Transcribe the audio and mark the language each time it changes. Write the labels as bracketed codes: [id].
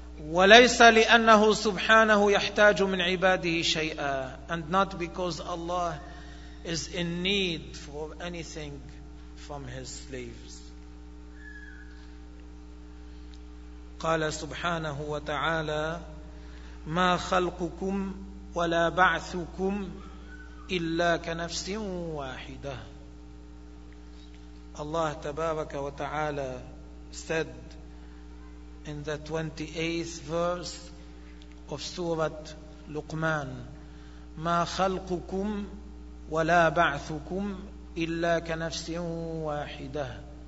[ar] وليس لأنه سبحانه يحتاج من عباده شيئا, [en] and not because Allah is in need for anything from his slaves. [ar] قال سبحانه وتعالى ما خلقكم ولا بعثكم إلا كنفس واحدة. [en] Allah [ar] تبارك وتعالى [en] said in the 28th verse of Surah Luqman, [ar] ما خلقكم ولا بعثكم إلا كنفس واحدة,